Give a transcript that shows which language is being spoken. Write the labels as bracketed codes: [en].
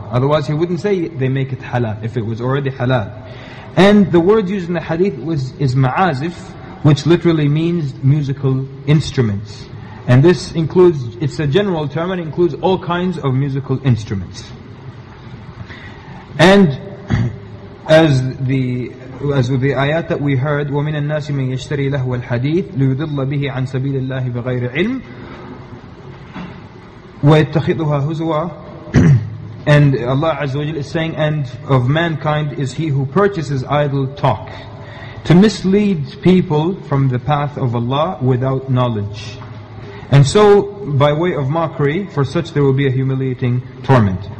[en] Otherwise he wouldn't say they make it halal, if it was already halal. And the word used in the hadith is ma'azif, which literally means musical instruments. And this includes, it's a general term, and includes all kinds of musical instruments. And As with the ayat that we heard, [ar] وَمِنَ النَّاسِ مَنْ يَشْتَرِي لَهْوَ الْحَدِيثِ لِيُضِلَّ بِهِ عَنْ سَبِيلِ اللَّهِ بِغَيْرِ عِلْمٍ وَيَتَّخِذُهَا هُزُوًا. [en] And Allah Azza wa Jal is saying, and of mankind is he who purchases idle talk to mislead people from the path of Allah without knowledge. And so, by way of mockery, for such there will be a humiliating torment.